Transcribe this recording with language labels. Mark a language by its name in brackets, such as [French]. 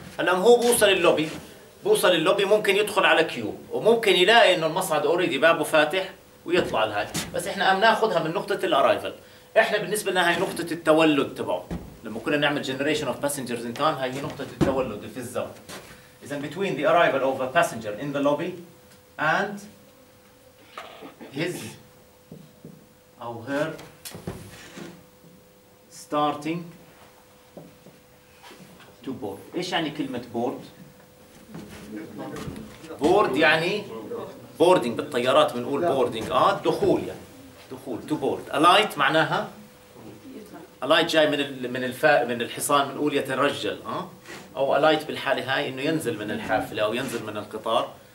[Arabic] هلا هو بوصل اللوبي، بوصل اللوبي ممكن يدخل على كيو وممكن يلاقي انه المصعد اوريدي بابه فاتح ويطلع لهاي، بس احنا عم ناخذها من نقطه الارايفل. احنا بالنسبه لنا هاي نقطه التولد تبعه، لما كنا نعمل [English] generation of passengers in time [Arabic] هاي هي نقطه التولد في الزمن. [English] اذا between the arrival of a passenger in the lobby and his or her starting to board. [Arabic] ايش يعني كلمه بورد؟ بورد يعني بوردينج، بالطيارات بنقول بوردينج، دخول يعني دخول تو بورد. الايت معناها الايت جاي من الحصان بنقول يترجل، او الايت بالحاله هاي انه ينزل من الحافله او ينزل من القطار،